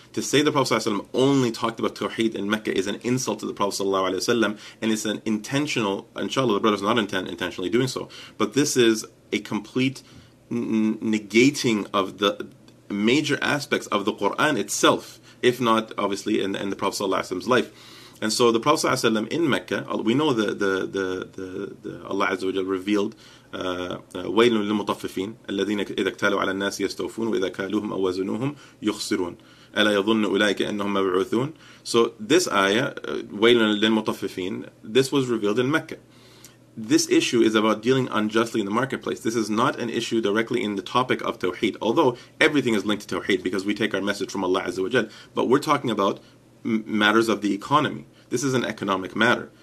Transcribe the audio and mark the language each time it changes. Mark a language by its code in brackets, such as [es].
[en] To say the Prophet ﷺ only talked about Tawheed in Mecca is an insult to the Prophet ﷺ, and it's an intentional, inshallah, the brother is not intentionally doing so, but this is a complete negating of the major aspects of the Qur'an itself, if not, obviously, in the Prophet's life. And so the Prophet ﷺ in Mecca, we know the Allah Azza wa Jalla revealed, [ar] وَيْلٌ لِلْمُطَفِّفِينَ الَّذِينَ إِذَا اكْتَالُوا عَلَى النَّاسِ يَسْتَوْفُونَ وَإِذَا كَالُوهُمْ أَوْ وَزُنُوهُمْ يُخْسِرُونَ أَلَا يَظُنُّ أُولَٰئِكَ أَنَّهُمْ مَبْعُوثُونَ. [en] So this ayah, [ar] وَيْلٌ لِلْمُطَفِّفِينَ, [en] this was revealed in Mecca. This issue is about dealing unjustly in the marketplace. This is not an issue directly in the topic of Tawheed, although everything is linked to Tawheed because we take our message from Allah Azza wa Jal. But we're talking about matters of the economy. This is an economic matter.